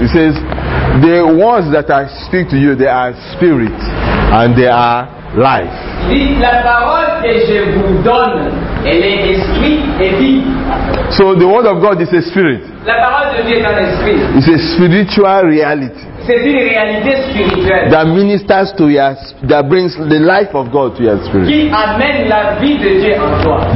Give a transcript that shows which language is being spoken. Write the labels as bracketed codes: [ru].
[en] It says, the words that I speak to you, they are spirit and they are life. [fr] La parole que je vous donne, elle est esprit et vie. [en] So the Word of God is a spirit. [fr] La parole de Dieu est un esprit. [en] It's a spiritual reality. [fr] C'est une réalité spirituelle. [en] That ministers to your, that brings the life of God to your spirit. [fr] Qui amène la vie de Dieu en toi.